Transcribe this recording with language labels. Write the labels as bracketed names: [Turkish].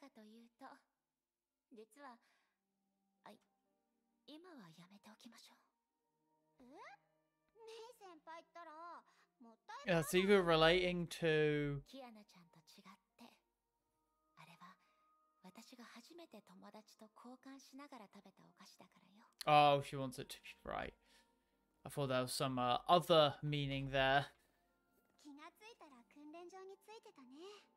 [English] That's even relating to [Japanese] キアナちゃんと違って、あれは私が初めて友達と交換しながら食べたお菓子だからよ。 [English] Oh, she wants it to be right. I thought there was some other meaning there. [Japanese] 気がついたら訓練場についてたね。